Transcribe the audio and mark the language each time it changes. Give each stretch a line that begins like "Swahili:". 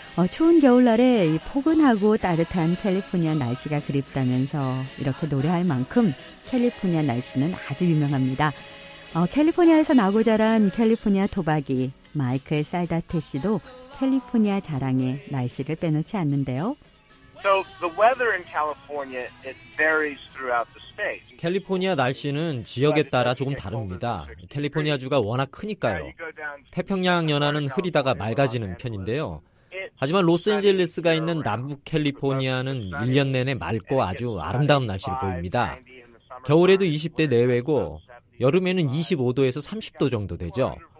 Korean: 추운 겨울날에 이 포근하고 따뜻한 캘리포니아 날씨가 그립다면서 이렇게 노래할 만큼 캘리포니아 날씨는 아주 유명합니다. 캘리포니아에서 나고 자란 캘리포니아 토박이 마이클 살다테 씨도 캘리포니아 자랑에 날씨를 빼놓지 않는데요.
English: So the weather in California, it varies throughout the state.
Korean: 캘리포니아 날씨는 지역에 따라 조금 다릅니다. 캘리포니아주가 워낙 크니까요. 태평양 연안은 흐리다가 맑아지는 편인데요. 하지만 로스앤젤레스가 있는 남북 캘리포니아는 1년 내내 맑고 아주 아름다운 날씨를 보입니다. 겨울에도 20대 내외고 여름에는 25도에서 30도 정도 되죠.